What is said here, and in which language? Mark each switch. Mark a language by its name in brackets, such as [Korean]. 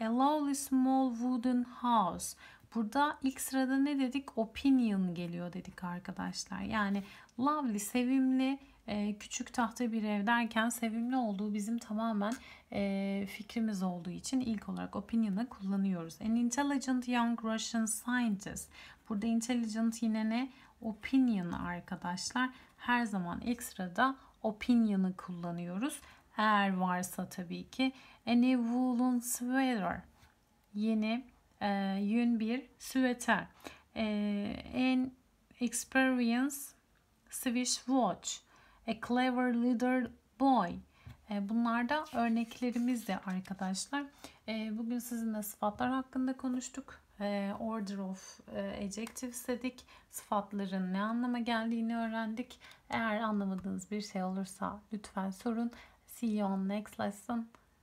[English] A lovely small wooden house. [Turkish] Burada ilk sırada ne dedik? Opinion geliyor dedik arkadaşlar. Yani lovely, sevimli, küçük tahta bir ev derken sevimli olduğu bizim tamamen fikrimiz olduğu için ilk olarak opinion'ı kullanıyoruz. [English] An intelligent young Russian scientist. [Turkish] Burada intelligent yine ne? Opinion arkadaşlar. Her zaman ilk sırada opinion'ı kullanıyoruz. Eğer varsa tabii ki. [English] An a woolen sweater. [Turkish] Yeni yün bir süveter. [English] An experienced Swiss watch. A clever leader boy. [Turkish] Bunlar da örneklerimiz de arkadaşlar. Bugün sizinle sıfatlar hakkında konuştuk. Order of adjectives dedik. Sıfatların ne anlama geldiğini öğrendik. Eğer anlamadığınız bir şey olursa lütfen sorun. [English] See you on next lesson.